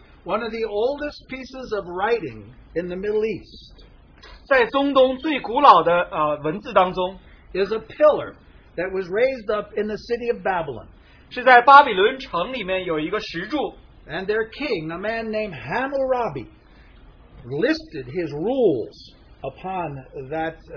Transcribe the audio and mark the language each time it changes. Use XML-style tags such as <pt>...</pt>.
<en>One of the oldest pieces of writing in the Middle East,</en> <zh>在中东最古老的文字当中,</zh> <en>is a pillar that was raised up in the city of Babylon.</en> <zh>是在巴比伦城里面有一个石柱。</zh> <en>And their king, a man named Hammurabi, listed his rules upon that</en>